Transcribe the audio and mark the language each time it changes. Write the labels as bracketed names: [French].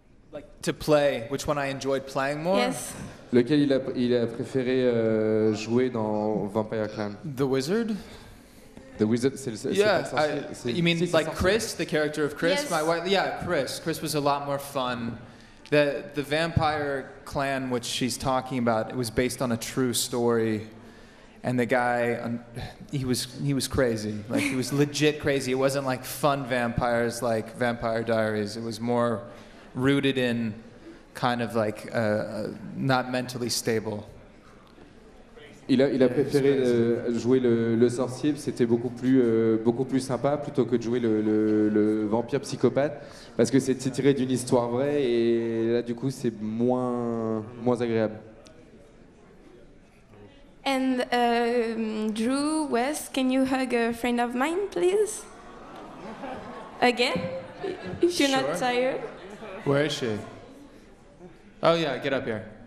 [English] Like to play, which one I enjoyed playing more? Yes. [French] Lequel il a préféré jouer dans Vampire Clan? [English] The wizard. The wizard. You mean like Chris, the character of Chris? Yes. My wife. Yeah, Chris. Chris was a lot more fun. The vampire clan which she's talking about, it was based on a true story, and the guy, he was crazy. Like, he was legit crazy. It wasn't like fun vampires like Vampire Diaries. It was more rooted in kind of like not mentally stable. [French] Il a préféré jouer le sorcier. C'était beaucoup plus sympa plutôt que de jouer le vampire psychopathe, parce que c'est tiré d'une histoire vraie et là du coup c'est moins agréable. [English] And Drew, Wes, can you hug a friend of mine, please? Again? If you're not tired. Where is she? Oh yeah, get up here.